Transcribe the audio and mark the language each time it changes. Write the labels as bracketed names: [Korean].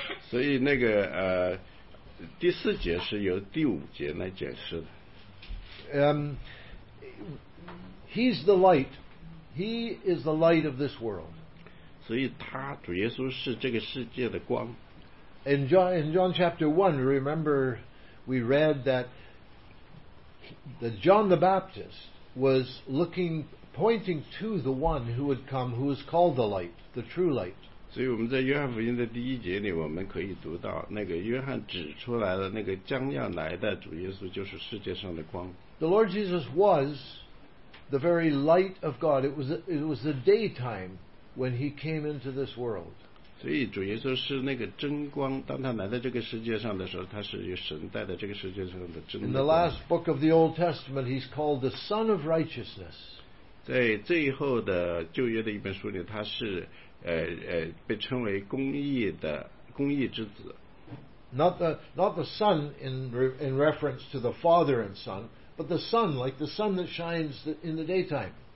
[Chinese] 所以那个第四节是由第五节来解释的。 [English] He's the light. He is the light of this world. [Chinese] 所以他主耶稣是这个世界的光。 [English] In John chapter 1, remember we read that the John the Baptist was looking pointing to the one who would come, who is called the light, the true light. [Chinese] 所以我们在约翰福音的第一节里，我们可以读到那个约翰指出来的那个将要来的主耶稣就是世界上的光。 [English] The Lord Jesus was the very light of God. It was the daytime when he came into this world. [Chinese] 所以主耶稣是那个真光，当他来到这个世界上的时候，他是由神带到这个世界上的真光。 [English] In the last book of the Old Testament, he's called the Son of Righteousness. [Chinese] 在最后的旧约的一本书里，他是被称为公义之子。 [English] Not the son in reference to the father and son, but the sun, like the sun that shines in the daytime.